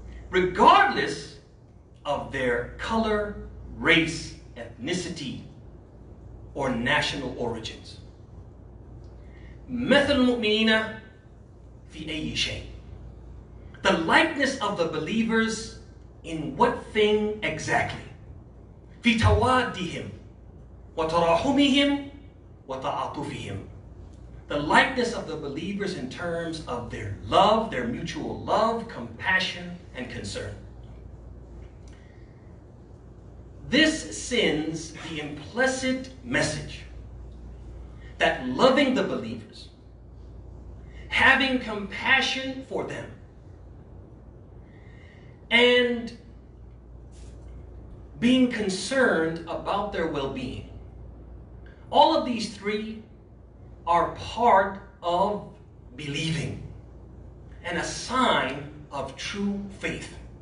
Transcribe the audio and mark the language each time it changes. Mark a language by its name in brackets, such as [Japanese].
[English] Regardless of their color, race, ethnicity, or national origins. [Arabic] مثل المؤمنين في أي شيء. [English] The likeness of the believers in what thing exactly? [Arabic] في توادهم وتراحمهم وتعاطفهم. [English] The likeness of the believers in terms of their love, their mutual love, compassion, and concern. This sends the implicit message that loving the believers, having compassion for them, and being concerned about their well-being, all of these three are part of believing and a sign of true faith.